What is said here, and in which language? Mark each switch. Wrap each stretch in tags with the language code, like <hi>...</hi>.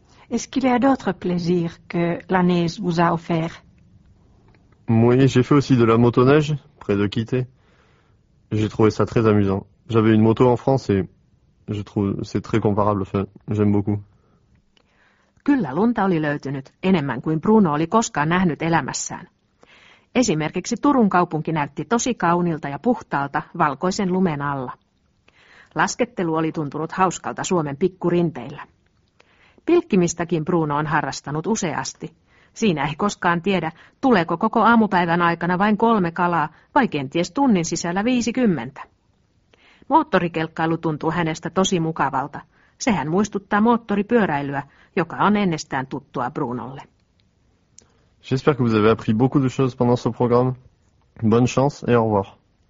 <fr>Est-ce qu'il y a d'autres plaisirs que la neige vous a offert? Oui, j'ai fait aussi de la motoneige, près de Kité. J'ai trouvé ça très amusant. J'avais une moto en France et je trouve que c'est très comparable, enfin, j'aime beaucoup.</fr> <fi>Kyllä lunta oli löytynyt enemmän kuin Bruno oli koskaan nähnyt elämässään. Esimerkiksi Turun kaupunki näytti tosi kaunilta ja puhtaalta valkoisen lumen alla. Laskettelu oli tuntunut hauskalta Suomen pikkurinteillä. Pilkkimistäkin Bruno on harrastanut useasti. Siinä ei koskaan tiedä, tuleeko koko aamupäivän aikana vain 3 kalaa vai kenties tunnin sisällä 50. Moottorikelkkailu tuntuu hänestä tosi mukavalta. Sehän muistuttaa moottoripyöräilyä, joka on ennestään tuttua Brunolle.</fi> <fr>J'espère que vous avez appris beaucoup de choses pendant ce programme. Bonne chance et au revoir.</fr>